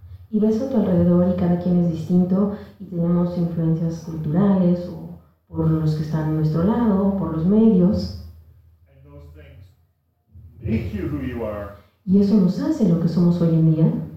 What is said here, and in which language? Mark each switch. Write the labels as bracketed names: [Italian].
[Spanish] Y ves a tu alrededor y cada quien es distinto y tenemos influencias culturales o por los que están a nuestro lado, o por los medios. [English] And those things make you who you are. [Spanish] Y eso nos hace lo que somos hoy en día.